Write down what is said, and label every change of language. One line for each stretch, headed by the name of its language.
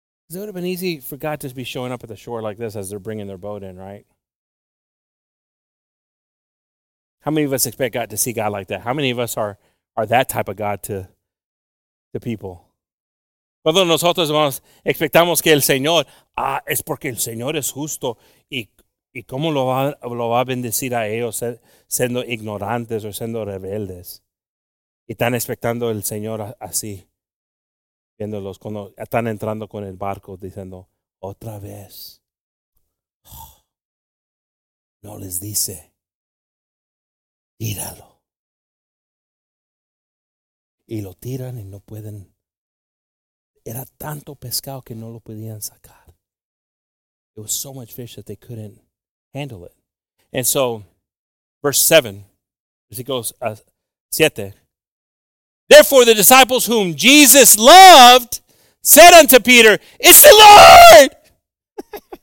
English: It would have been easy for God to just be showing up at the shore like this as they're bringing their boat in, right? How many of us expect God to see God like that? How many of us are that type of God to people?
Spanish: Cuando nosotros vamos, expectamos que el Señor, es porque el Señor es justo, y cómo lo va a bendecir a ellos siendo ignorantes o siendo rebeldes. Y están expectando el Señor así. Viéndolos cuando están entrando con el barco, diciendo, otra vez. No les dice, tíralo. Y lo tiran y no pueden. Era tanto pescado que no lo podían sacar.
English: It was so much fish that they couldn't handle it. And so, verse 7, as it goes, 7. Therefore, the disciples whom Jesus loved said unto Peter, it's the Lord!